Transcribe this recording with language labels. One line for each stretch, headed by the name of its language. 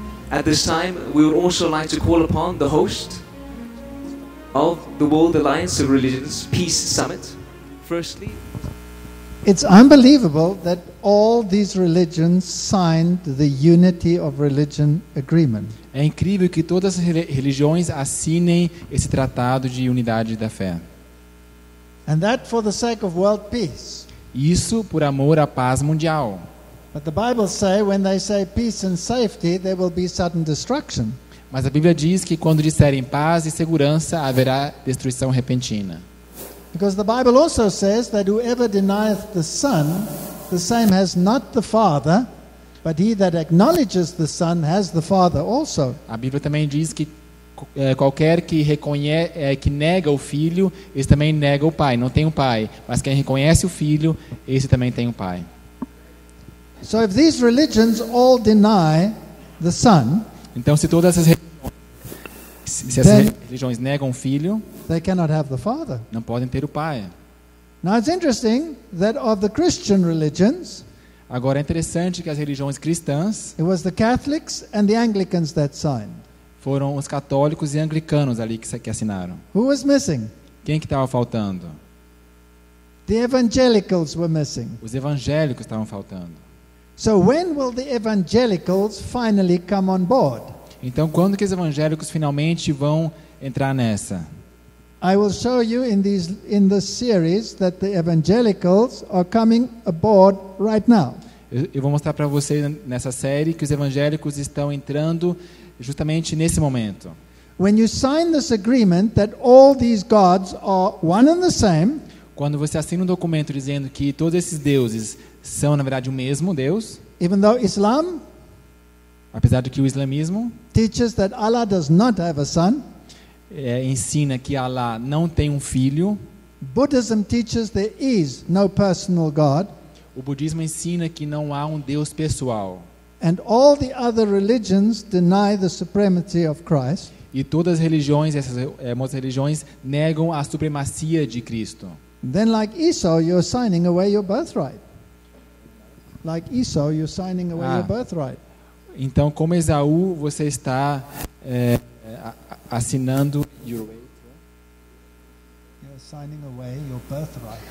English: At this time, we would also like to call upon the host of the World Alliance of Religions Peace Summit. Firstly, it's unbelievable that all these religions signed the Unity of Religion Agreement.
Portuguese: É incrível que todas as religiões assinem esse tratado de unidade da fé.
English: And that for the sake of world peace.
Portuguese: Isso por amor à paz mundial.
English: But the Bible says when they say peace and safety, there will be sudden destruction.
Portuguese: Mas a Bíblia diz que quando disserem paz e segurança, haverá destruição repentina.
English: Because the Bible also says that whoever denieth the Son, the same has not the Father, but he that acknowledges the Son has the Father also.
Portuguese: A Bíblia também diz que qualquer que reconhece que nega o Filho, esse também nega o Pai. Não tem um Pai, mas quem reconhece o Filho, esse também tem um Pai.
English: So if these religions all deny the Son,
Portuguese: então se todas essas religiões negam o Filho,
English: they cannot have the Father.
Portuguese: Não podem ter o Pai.
English: Now it's interesting that of the Christian religions,
Portuguese: agora é interessante que as religiões cristãs,
English: it was the Catholics and the Anglicans that signed.
Portuguese: Foram os católicos e anglicanos ali que assinaram.
English: Who was missing?
Portuguese: Quem que estava faltando?
English: The evangelicals were missing.
Portuguese: Os evangélicos estavam faltando.
English: So when will the evangelicals finally come on board?
Portuguese: Então quando que os evangélicos finalmente vão entrar nessa?
English: I will show you in this series that the evangelicals are coming aboard right now.
Portuguese: Eu vou mostrar para vocês nessa série que os evangélicos estão entrando justamente nesse momento.
English: When you sign this agreement that all these gods are one and the same,
Portuguese: quando você assina um documento dizendo que todos esses deuses são na verdade o mesmo Deus,
English: even though Islam,
Portuguese: apesar de que o islamismo
English: teaches that Allah does not have a son,
Portuguese: ensina que Allah não tem um filho.
English: Buddhism teaches there is no personal God.
Portuguese: O budismo ensina que não há um Deus pessoal.
English: And all the other religions deny the supremacy of Christ.
Portuguese: E todas as religiões, essas muitas religiões, negam a supremacia de Cristo.
English: Then like Esau, you're signing away your birthright. Like Esau, you're signing away your birthright.
Portuguese: Então, como Esaú, você está assinando
English: your signing away your birthright.